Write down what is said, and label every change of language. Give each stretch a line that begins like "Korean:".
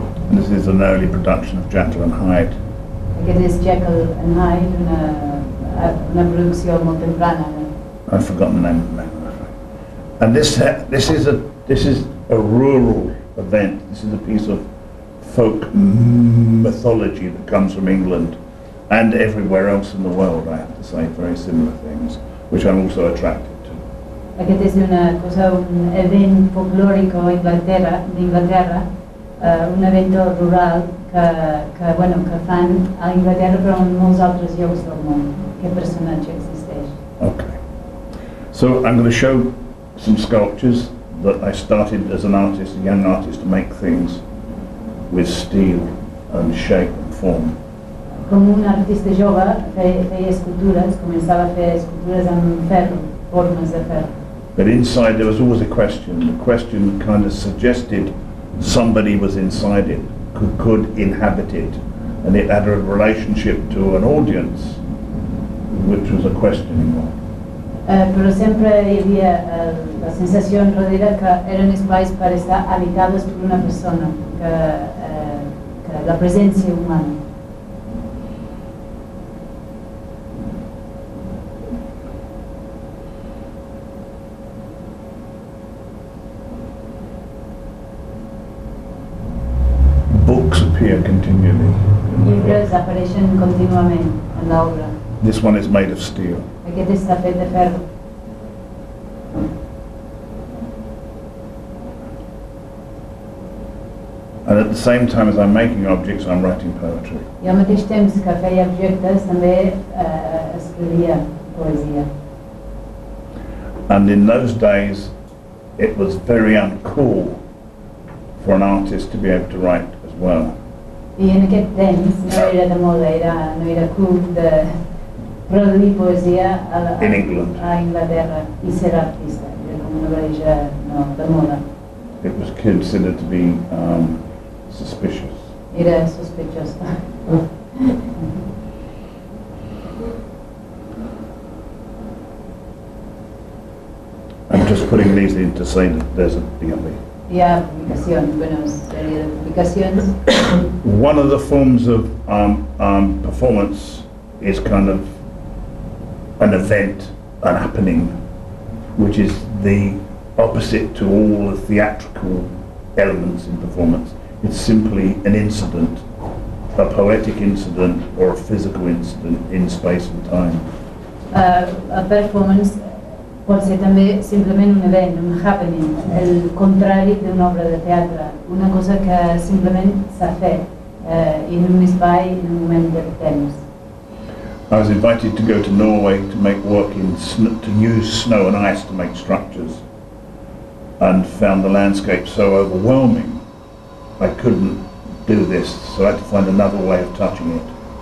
English: This is an early production of Jekyll and Hyde. It is Jekyll and Hyde,
Catalan: una producció molt temprana.
English: I've forgotten the name of the man. And this is a rural event. This is a piece of folk mythology that comes from England and everywhere else in the world, I have to say, very similar things, which I'm also attracted.
Catalan: Aquest és una cosa, un event folklòric d'Inglaterra, un evento rural que fan a Inglaterra però en molts altres llocs del món. Aquest personatge existeix.
English: Okay. So I'm going to show some sculptures that I started as an artist, a young artist, to make things with steel and shape and form.
Catalan: Com un artista jove feia escultures, començava a fer escultures amb ferro, formes de ferro.
English: But inside there was always a question. The question kind of suggested somebody was inside it, could inhabit it, and it had a relationship to an audience, which was a questioning one.
Catalan: Però sempre hi havia la sensació enrere que eren espais per estar habitades per una persona, que la presència humana.
English: Continually.
Catalan: Llibres apareixen contínuament en l'obra.
English: This one is made of steel.
Catalan: Aquest està fet de ferro.
English: And at the same time as I'm making objects, I'm writing poetry.
Catalan: I al mateix temps que feia objectes, també escrivia poesia.
English: And in those days, it was very uncool for an artist to be able to write as well.
Catalan: I en aquest temps no era de moda, no era cool de produir poesia a Inglaterra i ser artista. Era com una barreja de moda.
English: It was considered to be suspicious.
Catalan: Era sospechós.
English: I'm just putting these in to say that there's a beyond me. One of the forms of performance is kind of an event, an happening, which is the opposite to all the theatrical elements in performance. It's simply an incident, a poetic incident or a physical incident in space and time.
Catalan: A performance pot ser també simplement un event, un happening, el contrari d'una obra de teatre, una cosa que simplement s'ha fet en un espai, en un moment de temps.
English: I was invited to go to Norway to make work in to use snow and ice to make structures, and found the landscape so overwhelming I couldn't do this, so I had to find another way of touching it.